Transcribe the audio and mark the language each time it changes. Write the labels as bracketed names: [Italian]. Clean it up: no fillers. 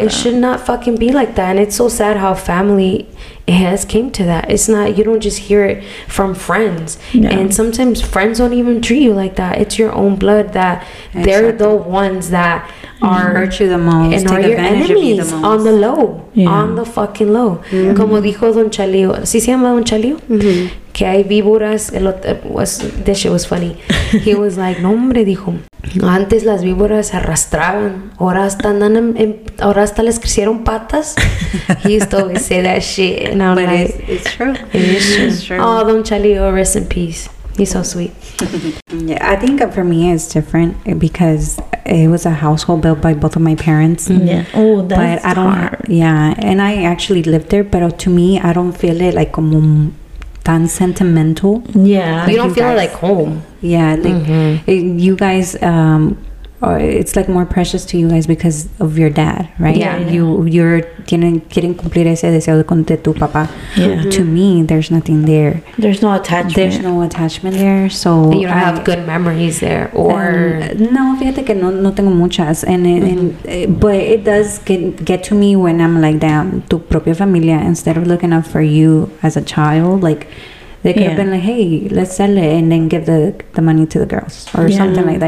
[English] It should not fucking be like that. And it's so sad how family, it has came to that. It's not, you don't just hear it from friends. And sometimes friends don't even treat you like that. It's your own blood that they're the ones that are hurt you the most and are your enemies the on the low. On the fucking low. [Spanish] Como dijo Don Chalio, ¿sí se llama Don Chalio? Que hay víboras. [English] That shit was funny. He was like, [Spanish] no hombre, dijo, antes las víboras se arrastraban, ahora hasta les crecieron patas. [English] He used to always say that shit. And I'm like, it's true. Oh, Don Chalio, rest in peace. He's so sweet. Yeah, I think for me it's different because it was a household built by both of my parents. Yeah. Oh, that's hard. Yeah, and I actually lived there, but to me, I don't feel it like [Spanish] como tan sentimental. [English] Yeah. You don't feel it like home. Yeah, like you guys, it's like more precious to you guys because of your dad, right? Yeah. [Spanish] You're tienen quieren cumplir ese deseo de con tu papá. [English] Yeah. To me, there's nothing there. There's no attachment. There's no attachment there, so and you don't have good memories there, or no. [Spanish] Fíjate que no tengo muchas, [English] but it does get to me when I'm like, damn, [Spanish] tu propia familia, [English] instead of looking up for you as a child, like. They could have been like, hey, let's sell it and then give the money to the girls or something like that.